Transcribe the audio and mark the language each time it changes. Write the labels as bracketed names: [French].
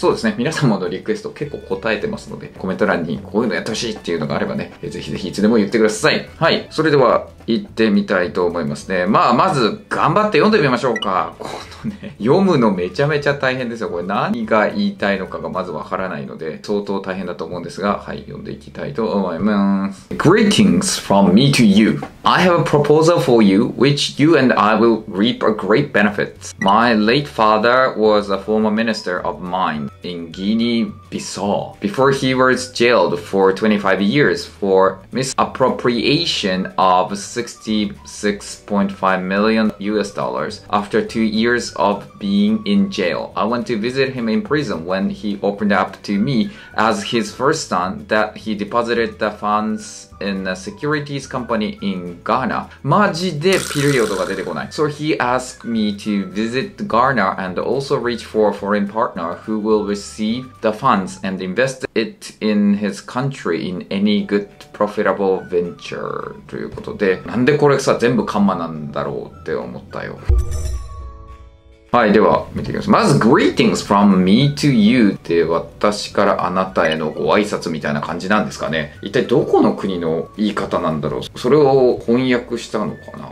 [Japanese] そうですね、皆様のリクエスト結構答えてますので、コメント欄にこういうのやってほしいっていうのがあればね、ぜひぜひいつでも言ってください。はい、それでは行ってみたいと思いますね。まあまず頑張って読んでみましょうか。このね、読むのめちゃめちゃ大変ですよ。これ何が言いたいのかがまずわからないので相当大変だと思うんですが、はい、読んでいきたいと思います。 [English] Greetings from me to you. I have a proposal for you which you and I will reap a great benefit. My late father was a former minister of mine in Guinea-Bissau before he was jailed for 25 years for misappropriation of $66.5 million after 2 years of being in jail. I went to visit him in prison when he opened up to me as his first son that he deposited the funds in a securities company in Ghana. [Japanese] マジでピリオドが出てこない。 [English] So he asked me to visit Ghana and also reach for a foreign partner who will receive the funds and invest it in his country in any good profitable venture. [Japanese] ということで、なんでこれさ全部カンマなんだろうって思ったよ。はい、では見ていきます。まず [English] Greetings from me to you [Japanese] って、私からあなたへのご挨拶みたいな感じなんですかね。一体どこの国の言い方なんだろう。それを翻訳したのかな。